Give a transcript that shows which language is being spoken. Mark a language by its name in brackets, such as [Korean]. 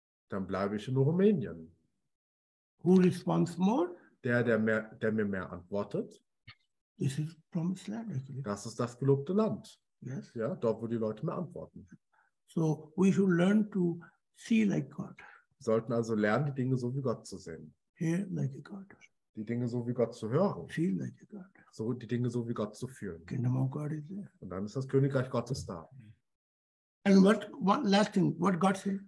[German] Dann bleibe ich in Rumänien. [English] Who responds more? [German] Der mir mehr antwortet. [English] This is promised land, actually. [German] Das ist das gelobte Land. [English] Yes. [German] Ja, dort, wo die Leute mehr antworten. [English] So we should learn to see like God. [German] Wir sollten also lernen, die Dinge so wie Gott zu sehen. [English] Hear like a God. [German] Die Dinge so wie Gott zu hören. [English] Feel like a God. [German] So, die Dinge so wie Gott zu fühlen. [English] Kingdom of God is there. [German] Und dann ist das Königreich Gottes da. [English] And what one last thing, what God said?